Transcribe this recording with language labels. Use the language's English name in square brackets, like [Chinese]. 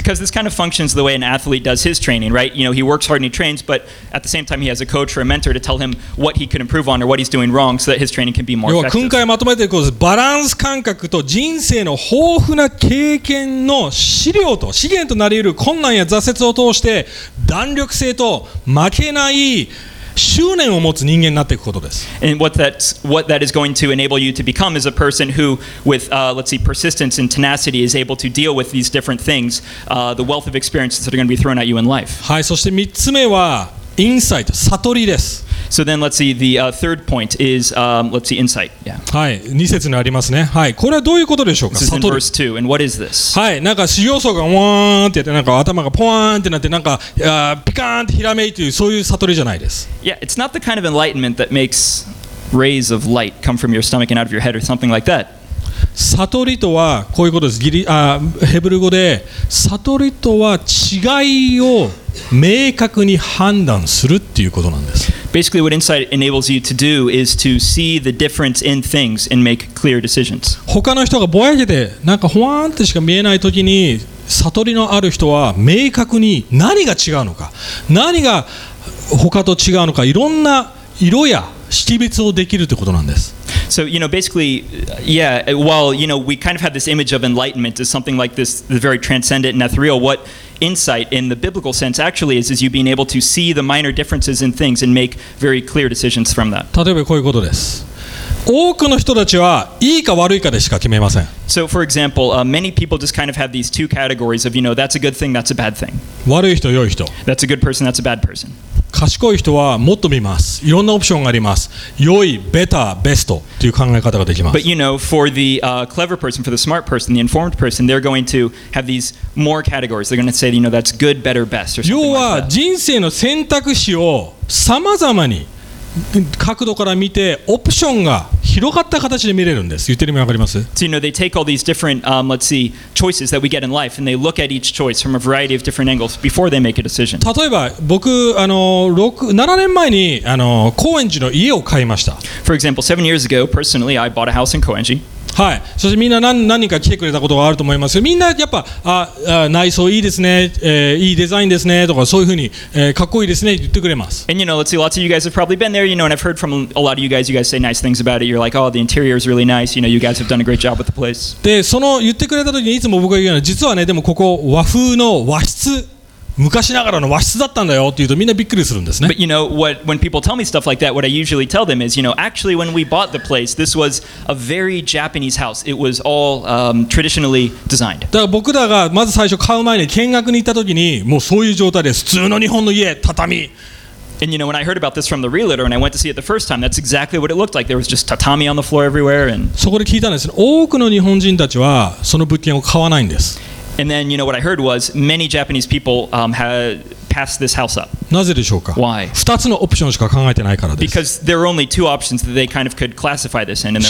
[English] Because this kind of functions the way an athlete does his training, right? You know, he works hard and he trains, but at the same time, he has a coach or a mentor to tell him what he could improve on or what he's doing wrong so that his training can be more effective. [Japanese] 要は訓戒まとめていくことです。バランス感覚と人生の豊富な経験の資料と資源となり得る困難や挫折を通して弾力性と負けない執念を持つ人間になっていくことです。 [English] And what that is going to enable you to become is a person who, with, let's see, persistence and tenacity, is able to deal with these different things, the wealth of experiences that are going to be thrown at you in life. [Japanese] はい、そして3つ目は、insight、悟りです。 [English] So then, let's see, the third point is, insight. Yeah. [Japanese] はい、2節にありますね。はい、これはどういうことでしょうか？悟り。 [English] This is in verse 2, and what is this? [Japanese] はい、なんか修行僧がワーンってやって、なんか頭がポワーンってなって、なんかピカーンってひらめいてる、そういう悟りじゃないです。 [English] Yeah, it's not the kind of enlightenment that makes rays of light come from your stomach and out of your head or something like that. [Japanese] 悟りとはこういうことです。ヘブル語で、悟りとは違いを明確に判断するっていうことなんです。 [English] Basically, what insight enables you to do is to see the difference in things and make clear decisions. [Japanese] 他の人がぼやけてなんかほわーんってしか見えないときに、悟りのある人は明確に何が違うのか、何が他と違うのか、いろんな色や識別をできるということなんです。 [English] So, you know, basically, yeah, while, you know, we kind of have this image of enlightenment as something like this, the very transcendent and ethereal, what insight in the biblical sense actually is you being able to see the minor differences in things and make very clear decisions from that. [Japanese] 例えばこういうことです。多くの人たちはいいか悪いかでしか決めません。 [English] So, for example, many people just kind of have these two categories of, you know, that's a good thing, that's a bad thing. [Japanese] 悪い人、良い人。 [English] That's a good person, that's a bad person. [Japanese] 賢い人はもっと見ます。いろんなオプションがあります。良い、ベター、ベストという考え方ができます。 [English] But you know, for the clever person, for the smart person, the informed person, they're going to have these more categories. They're going to say, you know, that's good, better, best. [Japanese] 要は人生の選択肢を様々に角度から見て、オプションが広がった形で見れるんです。言ってる意味わかります？ [English] So, you know, they take all these different, let's see, choices that we get in life, and they look at each choice from a variety of different angles before they make a decision. [Japanese] 例えば、僕、7年前に、高円寺の家を買いました。 [English] For example, 7 years ago, personally, I bought a house in 高円寺。 [Japanese] はい。そしてみんな 何人か来てくれたことがあると思いますよ。みんなやっぱ、内装いいですね、いいデザインですねとかそういうふうに、かっこいいですね言ってくれます。 [English] And you know, let's see, lots of you guys have probably been there, you know, and I've heard from a lot of you guys say nice things about it. You're like, oh, the interior is really nice. You know, you guys have done a great job with the place. [Japanese] で、その言ってくれた時にいつも僕が言うのは、実はね、でもここ和風の和室。昔ながらの和室だったんだよって言うとみんなびっくりするんですね。 [English] But you know, when people tell me stuff like that, what I usually tell them is, you know, actually when we bought the place, this was a very Japanese house. It was all traditionally designed. [Japanese] だから僕らがまず最初買う前に見学に行った時に、もうそういう状態です。普通の日本の家、畳。 [English] And you know, when I heard about this from the realtor and I went to see it the first time, that's exactly what it looked like. There was just tatami on the floor everywhere. And [Japanese] そこで聞いたんですね。多くの日本人たちはその物件を買わないんです。 [English] And then, you know, what I heard was many Japanese people had passed this house up. [Japanese] なぜでしょうか? [English] Why? [Japanese] 2つのオプションしか考えてないからです。 [English] Because there are only two options that they kind of could classify this in their mind.